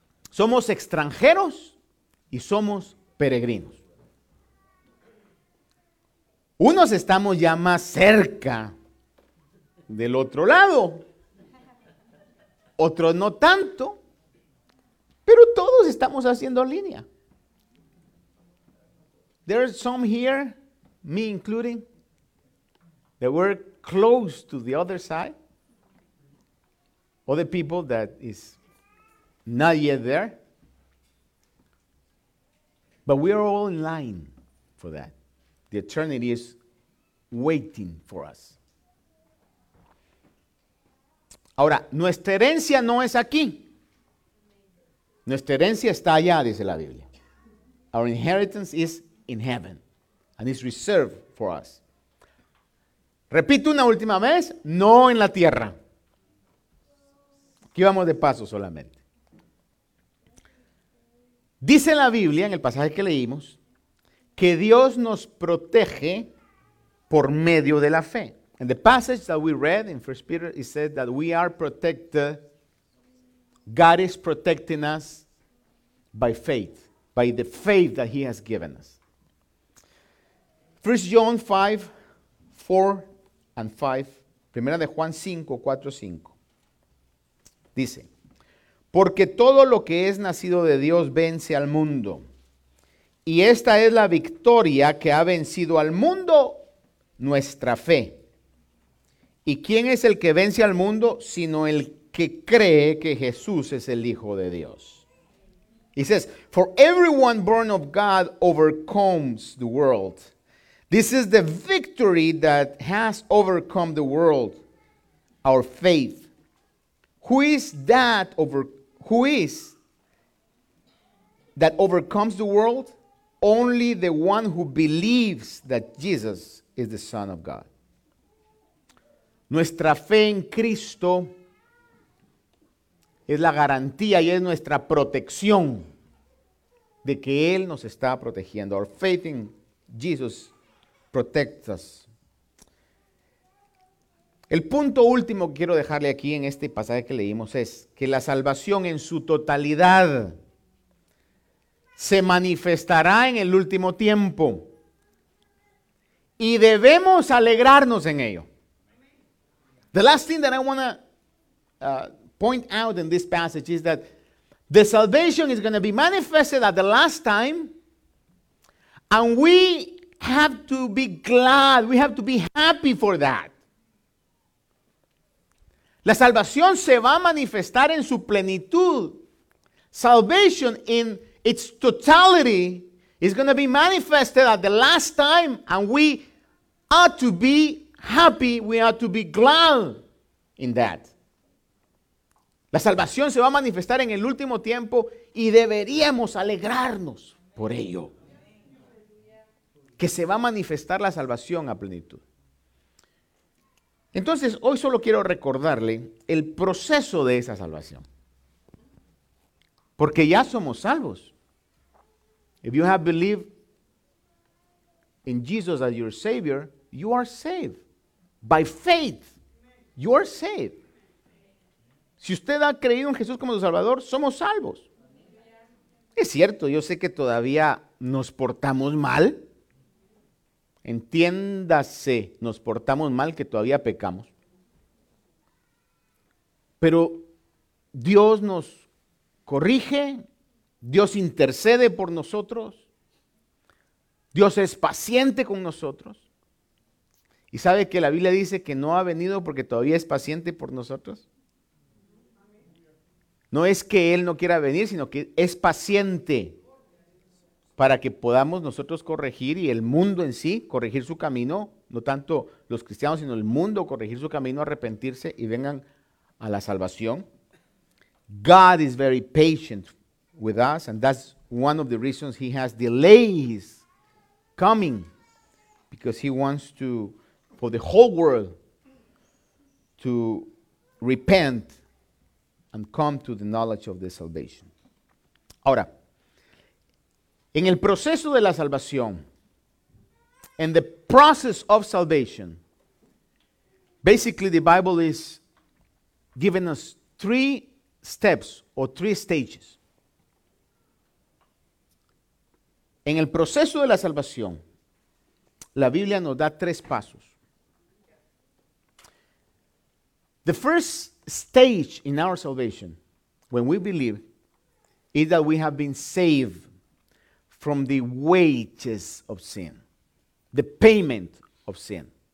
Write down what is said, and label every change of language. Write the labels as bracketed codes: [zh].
[es] Somos extranjeros y somos peregrinos. Unos estamos ya más cerca del otro lado, otros no tanto, pero todos estamos haciendo línea. [en] There are some here, me including, that were close to the other side, other people that is not yet there, but we are all in line for that. The eternity is waiting for us. [es] Ahora, nuestra herencia no es aquí. Nuestra herencia está allá, dice la Biblia. [en] Our inheritance is in heaven and is reserved for us. [es] Repito una última vez, no en la tierra. Aquí vamos de paso solamente. Dice la Biblia, en el pasaje que leímos, que Dios nos protege por medio de la fe. [en] In the passage that we read in 1 Peter, it said that we are protected. God is protecting us by faith, by the faith that he has given us. 1 John 5, 4 and 5. [es] Primera de Juan 5, 4, 5. Dice, porque todo lo que es nacido de Dios vence al mundo. Y esta es la victoria que ha vencido al mundo, nuestra fe. ¿Y quién es el que vence al mundo sino el que cree que Jesús es el Hijo de Dios? [en] He says, for everyone born of God overcomes the world. This is the victory that has overcome the world, our faith. Who is that overcomes the world? Only the one who believes that Jesus is the Son of God. [es] Nuestra fe en Cristo es la garantía y es nuestra protección de que Él nos está protegiendo. [en] Our faith in Jesus protects us. [es] El punto último que quiero dejarle aquí en este pasaje que leímos es que la salvación en su totalidad se manifestará en el último tiempo y debemos alegrarnos en ello. [en] The last thing that I want to point out in this passage is that the salvation is going to be manifested at the last time, and we have to be glad, we have to be happy for that. [es] La salvación se va a manifestar en su plenitud. [en] Salvation in its totality is going to be manifested at the last time, and we ought to be happy, we ought to be glad in that. [es] La salvación se va a manifestar en el último tiempo y deberíamos alegrarnos por ello. Que se va a manifestar la salvación a plenitud. Entonces, hoy solo quiero recordarle el proceso de esa salvación. Porque ya somos salvos. [en] If you have believed in Jesus as your Savior, you are saved. By faith, you are saved. [es] Si usted ha creído en Jesús como su Salvador, somos salvos. Es cierto, yo sé que todavía nos portamos mal. Entiéndase, nos portamos mal, que todavía pecamos. Pero Dios nos corrige, Dios intercede por nosotros, Dios es paciente con nosotros. ¿Y sabe que la Biblia dice que no ha venido porque todavía es paciente por nosotros? No es que Él no quiera venir, sino que es paciente para que podamos nosotros corregir y el mundo en sí corregir su camino, no tanto los cristianos, sino el mundo corregir su camino, arrepentirse y vengan a la salvación. [en] God is very patient with us, and that's one of the reasons He has delays coming, because He wants to, for the whole world to repent and come to the knowledge of the salvation. [es] Ahora, en el proceso de la salvación, [en] in the process of salvation, basically the Bible is giving us three steps or three stages. [es] En el proceso de la salvación, la Biblia nos da tres pasos. [en] The first stage in our salvation, when we believe, is that we have been saved from the wages of sin, the payment of sin.